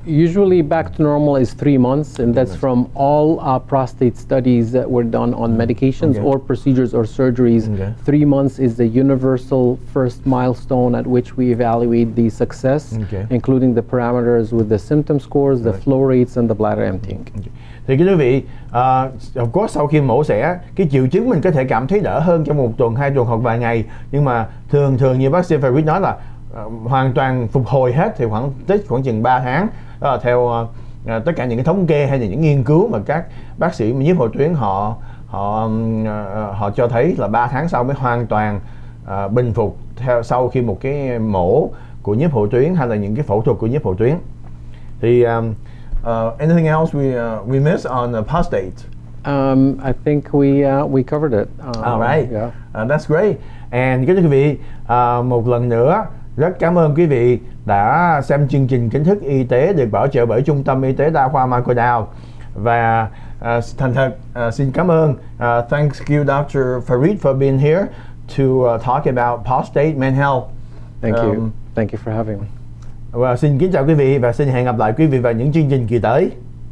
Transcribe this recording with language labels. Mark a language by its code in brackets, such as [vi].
[en] Usually back to normal is 3 months, and that's from all prostate studies that were done on medications, okay, or procedures or surgeries. Okay. 3 months is the universal first milestone at which we evaluate the success, okay, including the parameters with the symptom scores, the right, flow rates, and the bladder emptying. Okay. [vi] Thì quý vị, [en] of course, [vi] sau khi mổ xẻ, cái triệu chứng mình có thể cảm thấy đỡ hơn trong một tuần, hai tuần hoặc vài ngày. Nhưng mà thường thường như bác sĩ Farid nói là hoàn toàn phục hồi hết thì khoảng chừng 3 tháng. Đó là theo tất cả những cái thống kê hay là những nghiên cứu mà các bác sĩ nhiếp hồi tuyến họ cho thấy là 3 tháng sau mới hoàn toàn bình phục theo sau khi một cái mổ của nhiếp hồi tuyến hay là những cái phẫu thuật của nhiếp hồi tuyến. [en] Thì anything else we miss on the prostate? I think we covered it. All right. Yeah. That's great. [vi] And kính thưa quý vị, một lần nữa rất cảm ơn quý vị đã xem chương trình kiến thức y tế được bảo trợ bởi Trung tâm Y tế Đa khoa Macau. Và thành thật xin cảm ơn, [en] thanks you Dr. Farid for being here to talk about prostate men health. Thank you for having me. [vi] Và xin kính chào quý vị và xin hẹn gặp lại quý vị vào những chương trình kỳ tới.